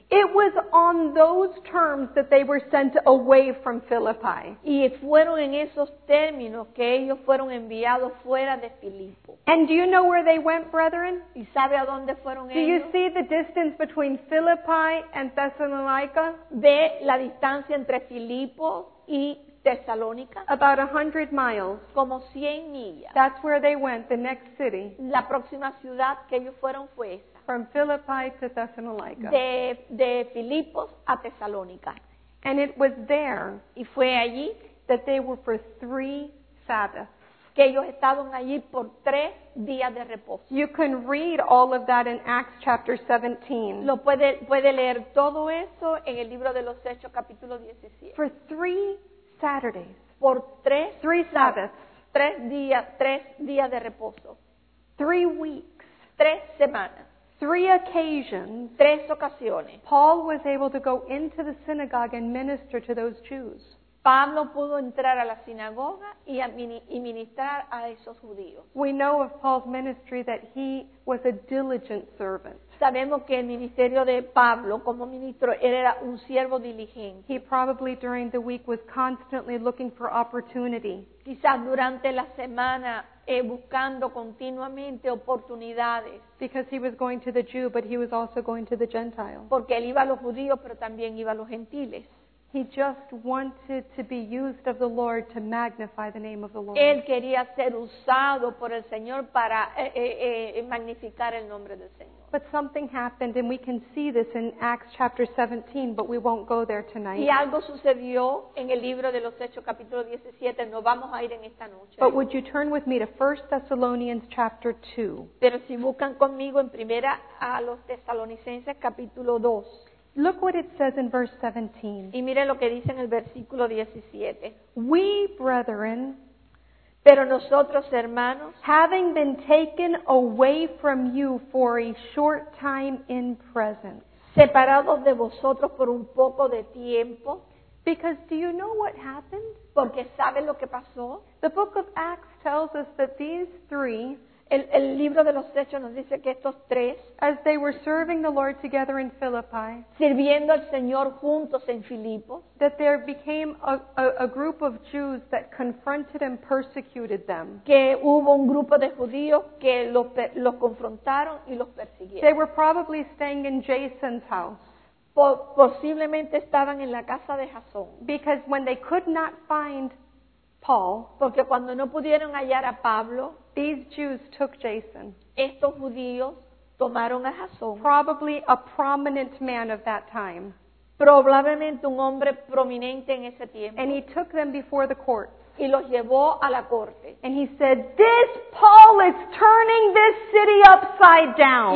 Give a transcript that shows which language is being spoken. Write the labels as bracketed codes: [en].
[en] It was on those terms that they were sent away from Philippi. [es] Y fueron en esos términos que ellos fueron enviados fuera de Filipo. [en] And do you know where they went, brethren? [es] ¿Y sabe a dónde fueron ellos? [en] Do you see the distance between Philippi and Thessalonica? [es] ¿Ve la distancia entre Filipo y Tesalónica, [en] about 100 miles, [es] como 100 millas. [en] That's where they went, the next city. [es] La próxima ciudad que ellos fueron fue esa. [en] From Philippi to Thessalonica. [es] De Filipos a Tesalónica. [en] And it was there, [es] y fue allí, [en] that they were for 3 Sabbaths. [es] Que ellos estaban allí por 3 días de reposo. [en] You can read all of that in Acts chapter 17. [es] Lo puede leer todo eso en el libro de los Hechos capítulo 17. [en] For 3 Saturdays. [es] Por 3 [en] 3 Sabbaths. [es] 3 días de reposo. [en] 3 weeks. [es] 3 semanas. [en] 3 occasions. [es] 3 ocasiones. [en] Paul was able to go into the synagogue and minister to those Jews. [es] Pablo pudo entrar a la sinagoga y ministrar a esos judíos. [en] We know of Paul's ministry that he was a diligent servant. [es] Sabemos que el ministerio de Pablo como ministro era un siervo diligente. [en] He probably during the week was constantly looking for opportunity. [es] Quizás durante la semana buscando continuamente oportunidades. [en] Because he was going to the Jew, but he was also going to the Gentile. [es] Porque él iba a los judíos, pero también iba a los gentiles. [en] He just wanted to be used of the Lord to magnify the name of the Lord. [es] Él quería ser usado por el Señor para magnificar el nombre del Señor. [en] But something happened, and we can see this in Acts chapter 17, but we won't go there tonight. [es] Y algo sucedió en el libro de los Hechos capítulo 17, no vamos a ir en esta noche. [en] But would you turn with me to 1 Thessalonians chapter 2? [es] Pero si buscan conmigo en primera a los Tesalonicenses capítulo 2. [en] Look what it says in verse 17. [es] Y mire lo que dice en el versículo 17. [en] We, brethren, [es] pero nosotros, hermanos, [en] having been taken away from you for a short time in presence, [es] separados de vosotros por un poco de tiempo, [en] because do you know what happened? [es] Porque ¿sabes lo que pasó? [en] The book of Acts tells us that these three, [es] el libro de los Hechos nos dice que estos tres, [en] as they were serving the Lord together in Philippi, [es] sirviendo al Señor juntos en Filipos, [en] that there became a group of Jews that confronted and persecuted them. [es] Que hubo un grupo de judíos que los confrontaron y los persiguieron. [en] They were probably staying in Jason's house. [es] Posiblemente estaban en la casa de Jasón. [en] Because when they could not find Paul, [es] porque cuando no pudieron hallar a Pablo, [en] these Jews took Jason. [es] Estos judíos tomaron a Jason. [en] Probably a prominent man of that time. [es] Probablemente un hombre prominente en ese tiempo. [en] And he took them before the court. [es] Y los llevó a la corte. [en] And he said, "This Paul is turning this city upside down."